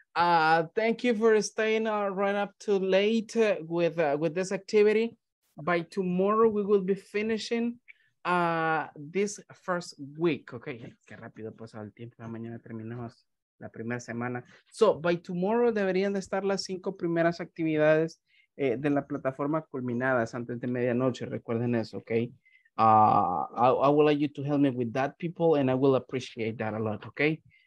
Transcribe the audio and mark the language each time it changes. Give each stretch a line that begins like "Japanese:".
English: Thank you for staying right up to late with this activity. By tomorrow, we will be finishing this first week.
Spanish: Okay. Qué rápido pasó el tiempo. Mañana terminamos la primera semana.
English: So, by tomorrow,
Spanish: deberían de estar las 5 primeras actividades de la plataforma culminadas antes de medianoche, recuerden eso, okay?
English: I would like you to help me with that, people, and I will appreciate that a lot, okay?